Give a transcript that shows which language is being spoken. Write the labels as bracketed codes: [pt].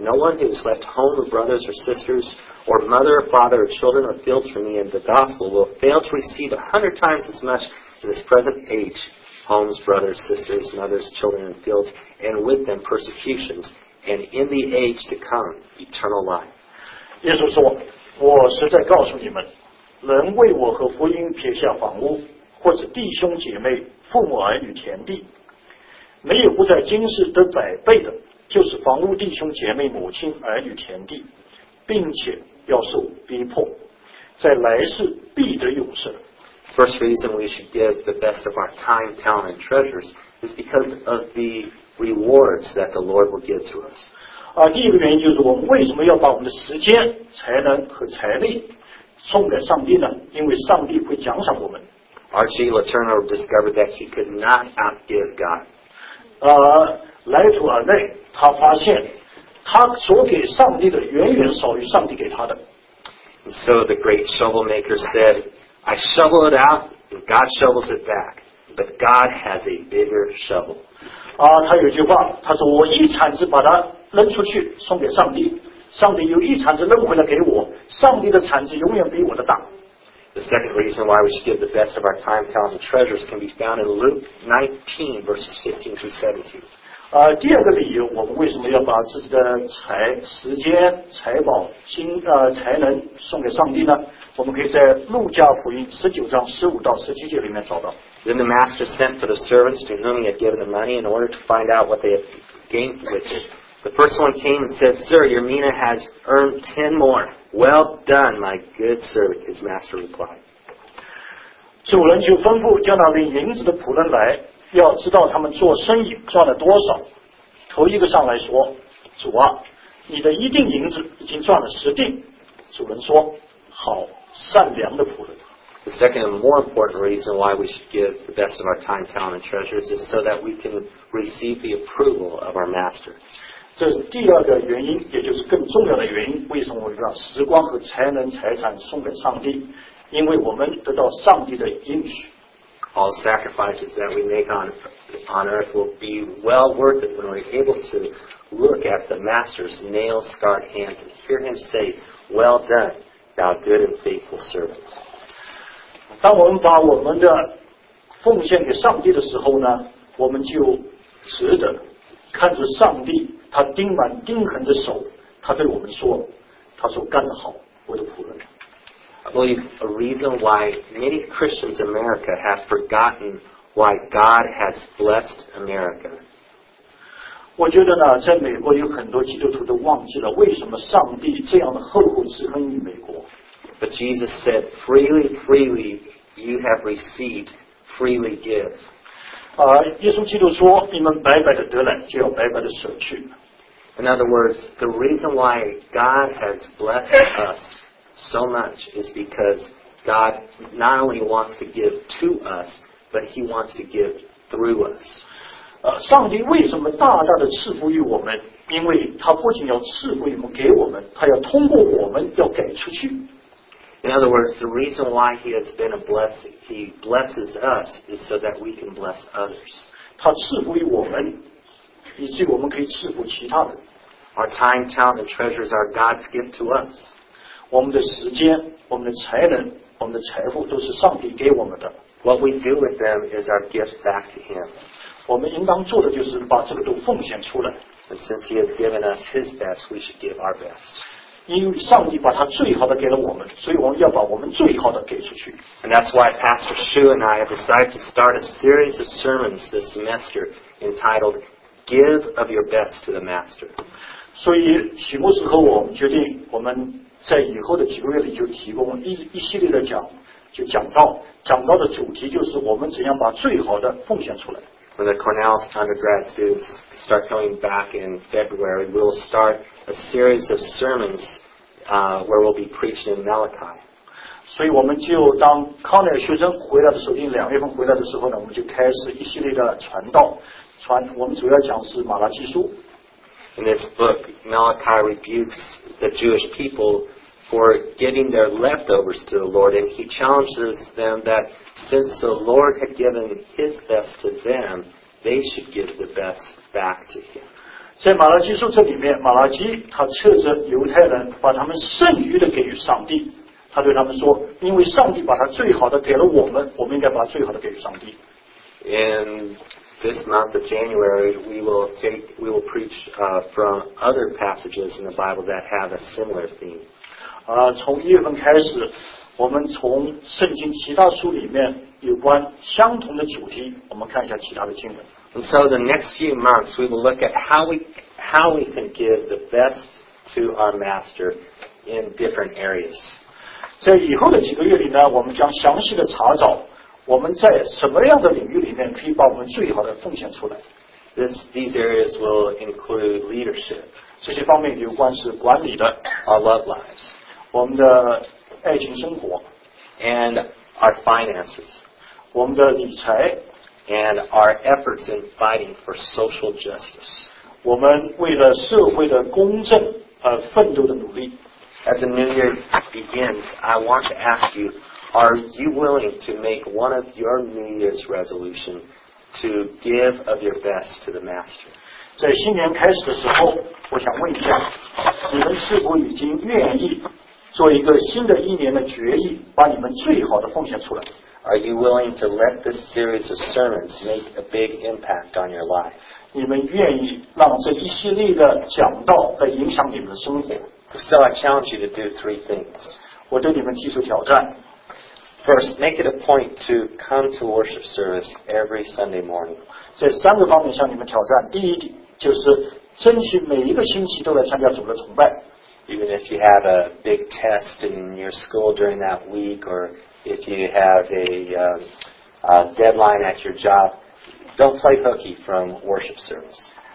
[en] No one who has left home or brothers or sisters or mother or father or children or fields for me in the gospel will fail to receive 100 times as much in this present age, homes, brothers, sisters, mothers, children, and fields, and with them persecutions, and in the age to come, eternal life. [zh] 耶稣说，我实在告诉你们，人为我和福音撇下房屋，或是弟兄姐妹、父母儿女、田地，没有不在今世得百倍的，就是房屋、弟兄姐妹、母亲、儿女、田地，并且要受逼迫，在来世必得永生。 [en] First reason we should give the best of our time, talent, and treasures is because of the rewards that the Lord will give to us. [zh] 第一个原因就是我们为什么要把我们的时间、才能和财力送给上帝呢？因为上帝会奖赏我们。 [en] Archie Letourneau discovered that he could not outgive God. [zh] 莱图尔内他发现他所给上帝的远远少于上帝给他的。 [en] And so the great shovel maker said, I shovel it out, and God shovels it back, but God has a bigger shovel. [zh] 他有句话，他说我一铲子把它扔出去送给上帝，上帝又一铲子扔回来给我，上帝的铲子永远比我的大。 [en] The second reason why we should give the best of our time, talent, and treasures can be found in Luke 19, verses 15 through 17. [zh] 第二个理由，我们为什么要把自己的时间、财宝、才能送给上帝呢？我们可以在路加福音19章15到17节里面找到。 [en] Then the master sent for the servants to whom he had given the money in order to find out what they had gained with it. The first one came and said, Sir, your mina has earned 10 more. Well done, my good servant, his master replied. [zh] 主人就吩咐叫那领银子的仆人来，要知道他们做生意赚了多少。头一个上来说，主啊，你的一锭银子已经赚了十锭。主人说，好，善良的仆人。 [en] The second and more important reason why we should give the best of our time, talent, and treasures is so that we can receive the approval of our master. [zh] 这是第二个原因，也就是更重要的原因，为什么我们要时光和才能财产送给上帝，因为我们得到上帝的应许。 [en] All sacrifices that we make on earth will be well worth it when we're able to look at the master's nail-scarred hands and hear him say, Well done, thou good and faithful servant. [zh] 当我们把我们的奉献给上帝的时候呢，我们就值得看着上帝他钉满钉痕的手，他对我们说，他说干得好，我的仆人。 [en] I believe a reason why many Christians in America have forgotten why God has blessed America. [zh] 我觉得呢，在美国有很多基督徒都忘记了为什么上帝这样的厚厚之恩于美国。 [en] But Jesus said, freely, freely you have received, freely give. [zh] 耶稣基督说，你们白白的得来，就要白白的舍去。 [en] In other words, the reason why God has blessed us so much is because God not only wants to give to us, but He wants to give through us. [zh] 上帝为什么大大的赐福于我们？因为他不仅要赐福于我们给我们，他要通过我们要给出去。 [en] In other words, the reason why He has been a blessing, He blesses us, is so that we can bless others. [zh] 他赐福于我们，以及我们可以赐福其他人。 [en] Our time, talent, and treasures are God's gift to us. [zh] 我们的时间、我们的才能、我们的财富都是上帝给我们的。 [en] What we do with them is our gift back to Him. [zh] 我们应当做的就是把这个都奉献出来。 [en] And since He has given us His best, we should give our best. [zh] 因为上帝把他最好的给了我们，所以我们要把我们最好的给出去。 [en] And that's why Pastor Shu and I have decided to start a series of sermons this semester entitled "Give of Your Best to the Master." [zh] 所以许牧师和我决定，我们在以后的几个月里就提供一系列的讲，就讲到的主题就是我们怎样把最好的奉献出来。 [en] When the Cornell's undergrad students start coming back in February, we'll start a series of sermons where we'll be preaching in Malachi. [zh] 所以我们就当康奈尔学生回来的时候，因为两月份回来的时候呢，我们就开始一系列的传道，我们主要讲是马拉基书。 [en] In this book, Malachi rebukes the Jewish people for giving their leftovers to the Lord, and he challenges them that since the Lord had given His best to them, they should give the best back to Him. [zh] 在马拉基书这里面，马拉基他斥责犹太人把他们剩余的给予上帝。他对他们说，因为上帝把他最好的给了我们，我们应该把最好的给予上帝。 [en] In this month of January, we will preach from other passages in the Bible that have a similar theme. [zh] 从一月份开始。我们从圣经其他书里面有关相同的主题，我们看一下其他的经文。 [en] And so the next few months we will look at how we can give the best to our master in different areas. [zh] 在以后的几个月里呢，我们将详细的查找我们在什么样的领域里面可以把我们最好的奉献出来。 [en] These areas will include leadership. [zh] 这些方面有关是管理的。 [en] Our love lives. [zh] 我们的爱情生活 [en] and our finances, [zh] 我们的理财 [en] and our efforts in fighting for social justice, [zh] 我们为了社会的公正而奋斗的努力。 [en] As the new year begins, I want to ask you, are you willing to make one of your New Year's resolution to give of your best to the Master? [zh] 在新年开始的时候，我想问一下，你们是否已经愿意？做一个新的一年的决议，把你们最好的奉献出来。 [en] Are you willing to let this series of sermons make a big impact on your life? [zh] 你们愿意让这一系列的讲道来影响你们的生活？ [en] So I challenge you to do three things. [zh] 我对你们提出挑战。 [en] First, make it a point to come to worship service every Sunday morning. [zh] 这三个方面向你们挑战。第一点就是争取每一个星期都来参加主的崇拜。 [en] Even if you have a big test in your school during that week, or if you have a deadline at your job, don't play hooky from worship service.